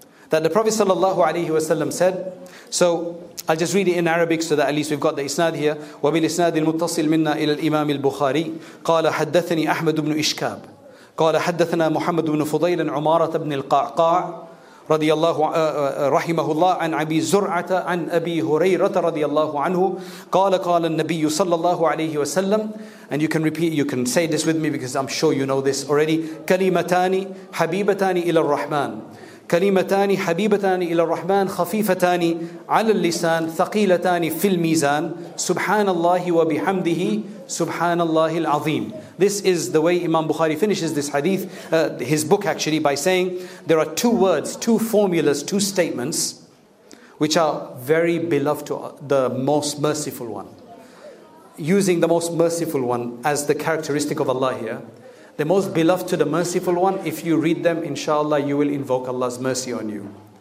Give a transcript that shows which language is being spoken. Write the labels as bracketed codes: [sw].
[en] That the Prophet sallallahu alayhi wa sallam said, so I'll just read it in Arabic so that at least we've got the isnad here. [ar] وَبِالْإِسْنَادِ الْمُتَّصِلْ مِنَّا إِلَى الْإِمَامِ الْبُخَارِي قَالَ حَدَّثَنِي أَحْمَدُ بْنُ إِشْكَابِ قال حدثنا محمد بن فضيل عن عمارة بن القعقاع رضي الله رحمه الله عن أبي زرعة عن أبي هريرة رضي الله عنه قال النبي صلى الله عليه وسلم. [en] And you can repeat, you can say this with me because I'm sure you know this already. [ar] كلمتان حبيبتان إلى الرحمن. كلمتان حبيبتان إلى الرحمن خفيفتان على اللسان ثقيلتان في الميزان سبحان الله وبحمده سبحان الله العظيم. [en] This is the way Imam Bukhari finishes this hadith, his book actually, by saying there are two words, two formulas, two statements which are very beloved to the most merciful one. Using the most merciful one as the characteristic of Allah here, the most beloved to the merciful one, if you read them, inshallah, you will invoke Allah's mercy on you.